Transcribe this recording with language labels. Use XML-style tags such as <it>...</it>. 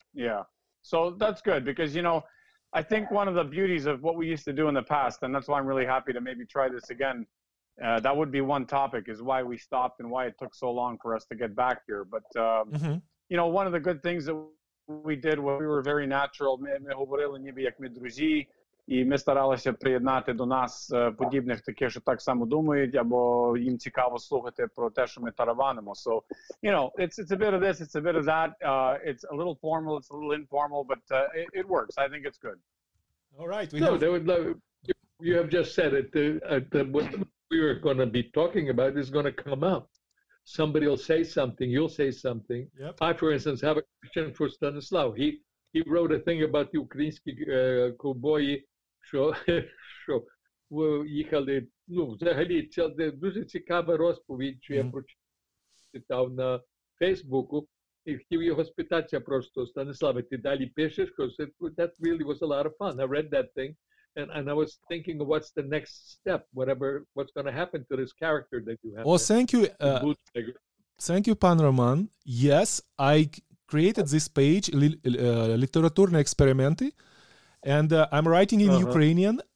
<en>Yeah, so that's good because you know, I think one of the beauties of what we used to do in the past, and that's why I'm really happy to maybe try this again. That would be one topic is why we stopped and why it took so long for us to get back here, but. You know, one of the good things that we did was we were very natural.</en> <uk>Ми говорили ніби як ми друзі, і ми старалися приєднати до нас подібних таких, що так само думають, або їм цікаво слухати про те, що ми тараванимо.</uk> <en>So, you know, it's a bit of this, it's a bit of that. It's a little formal, it's a little informal, but it works. I think it's good. All right. You have just said it. What we were going to be talking about is going to come up. Somebody will say something, you'll say something. Yep. I, for instance, have a question for Stanislav.</en> <uk>He wrote a thing about the українські ковбої, що їхали, взагалі, це дуже цікава розповідь, що я прочитав на Фейсбуку, і хотів його спитатися просто, Станиславе, ти далі пишеш?</uk> <en>Because that really was a lot of fun. I read that thing, and I was thinking, what's the next step, whatever, what's going to happen to this character that you have. Well, thank you, Pan Roman. Yes, I created this page, Literaturne Eksperimenty, and I'm writing in Ukrainian.</en>